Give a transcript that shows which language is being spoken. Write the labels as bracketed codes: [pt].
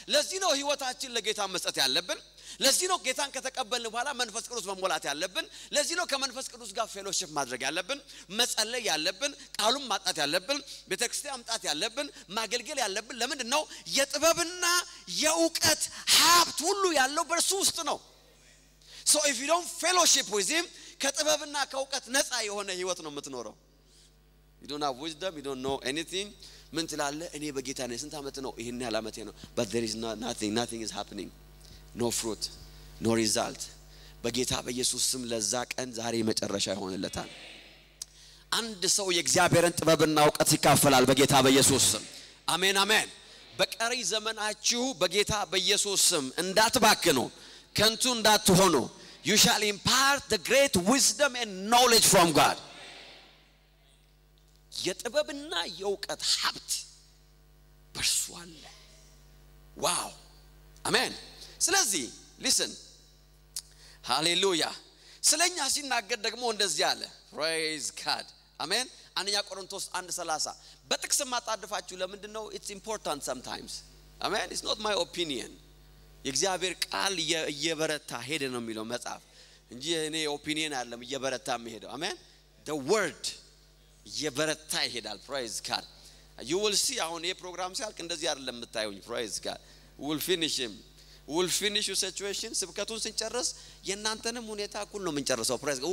[am] ለዚህ ነው ህይወታችን ለጌታ መስጠት ያለብን። ለዚህ ነው ጌታን ከተቀበልን በኋላ መንፈስ ቅዱስ መሞላት ያለብን። ለዚህ ነው ከመንፈስ ቅዱስ ጋር ፌሎሺፕ ማድረግ ያለብን፣ መጸለይ ያለብን፣ ቃሉን ማጥናት ያለብን፣ ቤተክርስቲያን ማጥናት ያለብን፣ ማገልገል ያለብን። ለምንድን ነው? የጥበብና የእውቀት ሀብት ሁሉ ያለው በርሱ ውስጥ ነው። [en] So if you don't fellowship with him, [am] ከጥበብና ከእውቀት ነፃ የሆነ ህይወት ነው የምትኖረው። [en] You don't have wisdom, you don't know anything. [am] ምን ትላለህ? እኔ በጌታ ነኝ ስንት አመት ነው? ይሄን ያህል አመት ነው። [en] But there is nothing is happening. No fruit, no result. [am] በጌታ በኢየሱስ ስም ለዛ ቀን ዛሬ መጨረሻ ይሆንለታል። አንድ ሰው የእግዚአብሔርን ጥበብና ዕውቀት ይካፈላል በጌታ በኢየሱስ ስም። አሜን አሜን። በቀሪ ዘመናችሁ በጌታ በኢየሱስ ስም እንዳትባክኑ፣ ከንቱ እንዳትሆኑ። [en] You shall impart the great wisdom and knowledge from God. [am] የጥበብና የዕውቀት ሀብት በርሱ አለ። ዋው! አሜን። ስለዚህ [en] listen. Hallelujah. [am] ስለኛ ሲናገር ደግሞ እንደዚህ አለ። [en] Praise God. [am] አሜን። አንደኛ ቆሮንቶስ 1:30 በጥቅስ ማጣደፋችሁ ለምን ነው? [en] It's important sometimes. Amen. It's not my opinion. [am] የእግዚአብሔር ቃል የበረታ ሄደ ነው የሚለው መጽሐፍ እንጂ እኔ ኦፒኒየን አይደለም የበረታም ሄደው። አሜን። The word የበረታ ይሄዳል። [en] Praise God. You will see on a program [am] ሲያልቅ እንደዚህ አይደለም የምታዩኝ። [en] Praise God. We'll finish your situation. [am] ስብከቱን ስንጨርስ የናንተንም ሁኔታ እኩል ነው የምንጨርሰው። [en] Praise God.